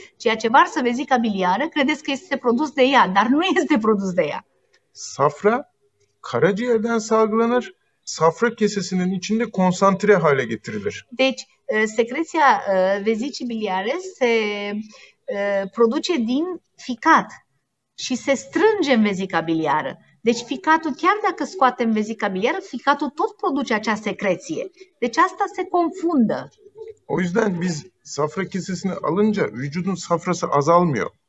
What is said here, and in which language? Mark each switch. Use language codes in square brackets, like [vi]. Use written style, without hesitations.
[ro] Ceea ce varsă vezica biliară, credeți că este produs de ea, dar nu este produs de ea. [tr] Safra, karaciğerden salgılanır, safra kesesinin içinde konsantre hale getirilir. [ro] Deci, secreția vezicii biliare se produce din ficat și se strânge în vezica biliară. Deci ficatul, chiar dacă scoatem vezica biliară, ficatul tot produce acea secreție. Deci asta se confundă. [tr] O yüzden biz safra kesesini alınca vücudun safrası azalmıyor.